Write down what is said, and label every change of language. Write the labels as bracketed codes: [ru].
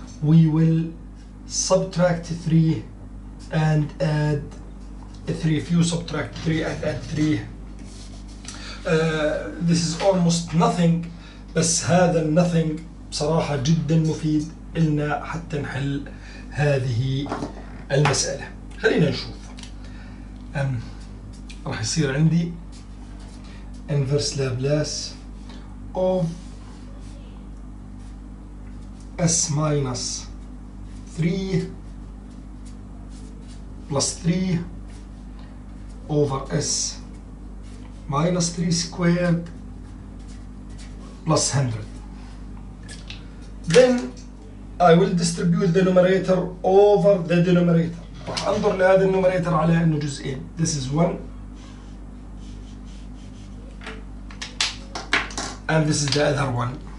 [en] We will subtract 3 and add 3. If you subtract 3 and add 3, this is almost nothing. [ar] بس هذا nothing بصراحة جدا مفيد لنا حتى نحل هذه المسألة. خلينا نشوف. راح يصير عندي [en] inverse Laplace of s minus 3 plus 3 over s minus 3 squared plus 100. Then I will distribute the numerator over the denominator. [ar] راح انظر لهذا النومريتر على انه جزئين. [en] This is one and this is the other one.